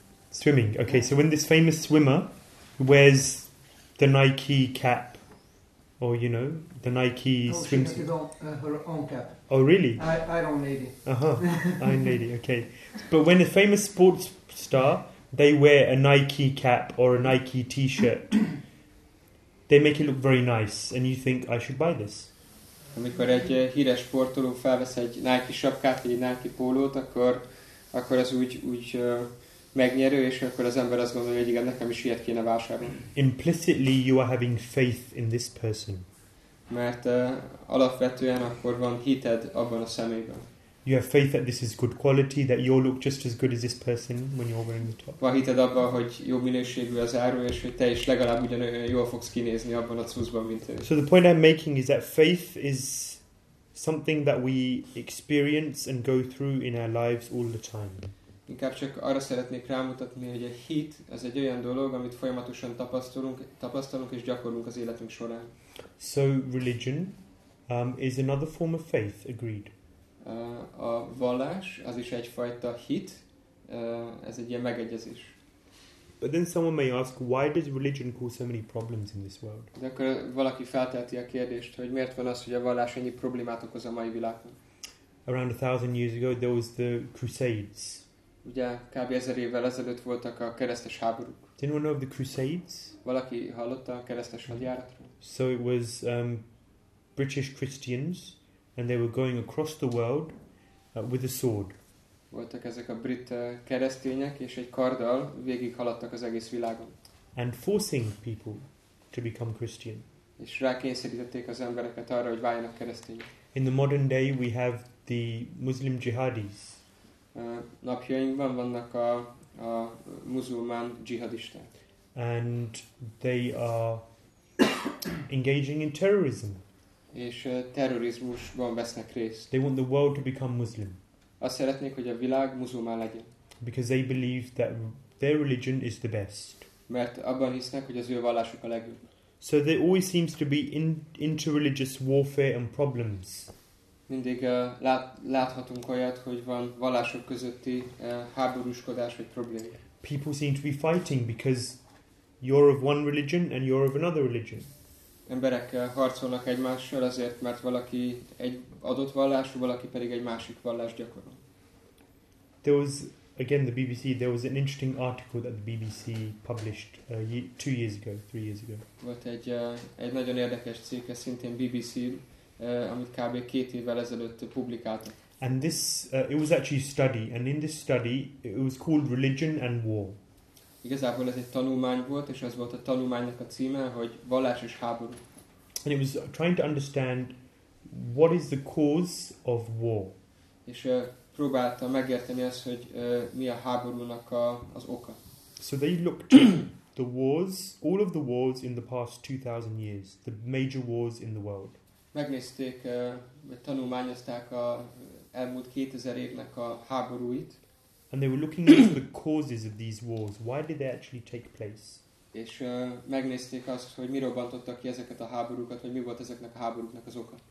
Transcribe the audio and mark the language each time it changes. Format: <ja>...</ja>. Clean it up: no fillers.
<en>Swimming. Okay, so when this famous swimmer wears the Nike cap, or you know, the Nike swimsuit. She has her own cap. Oh, really? Iron Lady. Uh-huh. Iron Lady, okay. But when a famous sports star, they wear a Nike cap or a Nike t-shirt, they make it look very nice, and you think, I should buy this.</en> <hu>Amikor egy híres sportoló felvesz egy Nike sapkát, egy Nike pólót, akkor az úgy megnyerő, és akkor az ember azt gondolja, hogy igen, nekem is ilyet kéne vásárolni.</hu> <en>Implicitly, you are having faith in this person.</en> <hu>Mert alapvetően akkor van hited abban a személyben.</hu> <en>You have faith that this is good quality, that you'll look just as good as this person when you're wearing the top.</en> <hu>Van hited abban, hogy jó minőségű az áru, és hogy te is legalább ugyanolyan jól fogsz kinézni abban a cuccban, mint ő.</hu> <en>So the point I'm making is that faith is something that we experience and go through in our lives all the time.</en> <hu>Inkább csak arra szeretnék rámutatni, hogy a hit az egy olyan dolog, amit folyamatosan tapasztalunk és gyakorlunk az életünk során.</hu> <en>So religion is another form of faith, agreed.</en> <hu>A vallás az is egyfajta hit, ez egy ilyen megegyezés.</hu> <en>But then someone may ask, why does religion cause so many problems in this world?</en> <hu>De akkor valaki felteheti a kérdést, hogy miért van az, hogy a vallás ennyi problémát okoz a mai világban?</hu> <en>Around 1000 years ago there was the crusades.</en> <hu>Ugye kb. 1000 évvel ezelőtt voltak a keresztes háborúk.</hu> <en>Did anyone know of the crusades?</en> <hu>Valaki hallotta a keresztes hadjáratról?</hu> <en>So it was British Christians, and they were going across the world with a sword.</en> <hu>Voltak ezek a brit keresztények, és egy karddal végig haladtak az egész világon.</hu> <en>And forcing people to become Christian.</en> <hu>És rákényszerítették az embereket arra, hogy váljanak keresztények.</hu> <en>In the modern day we have the Muslim jihadis.</en> <hu>Napjainkban vannak a muzulmán dzsihadisták.</hu> <en>And they are engaging in terrorism.</en> <hu>És terrorizmusban vesznek részt.</hu> <en>They want the world to become Muslim.</en> <hu>Azt szeretnék, hogy a világ muzulmán legyen.</hu> <en>Because they believe that their religion is the best.</en> <hu>Mert abban hisznek, hogy az ő vallásuk a legjobb.</hu> <en>So there always seems to be interreligious warfare and problems.</en> <hu>Mindig láthatunk olyat, hogy van vallások közötti háborúskodás vagy probléma.</hu> <en>People seem to be fighting because you're of one religion and you're of another religion.</en> <hu>Emberek harcolnak egymással azért, mert valaki egy adott vallású, valaki pedig egy másik vallás gyakorol.</hu> <en>There was, again the BBC, there was an interesting article that the BBC published 2 years ago, 3 years ago.</en> <hu>Volt egy nagyon érdekes cikke szintén BBC, amit kb. 2 évvel ezelőtt publikáltak.</hu> <en>And this, it was actually a study, and in this study, it was called Religion and War.</en> <hu>Igazából ez egy tanulmány volt, és az volt a tanulmánynak a címe, hogy vallás és háború.</hu> <en>And it was trying to understand what is the cause of war.</en> <hu>És próbálta megérteni azt, hogy mi a háborúnak az oka.</hu> <en>So they looked the wars, all of the wars in the past 2000 years, the major wars in the world.</en> <hu>Megnézték, vagy tanulmányozták a elmúlt 2000 évnek a háborúit.</hu> <en>And they were looking into the causes of these wars. Why did they actually take place?</en> <hu>És megnézték azt, hogy mi robbantotta ki ezeket a háborúkat, vagy mi volt ezeknek a háborúknak az oka.</hu>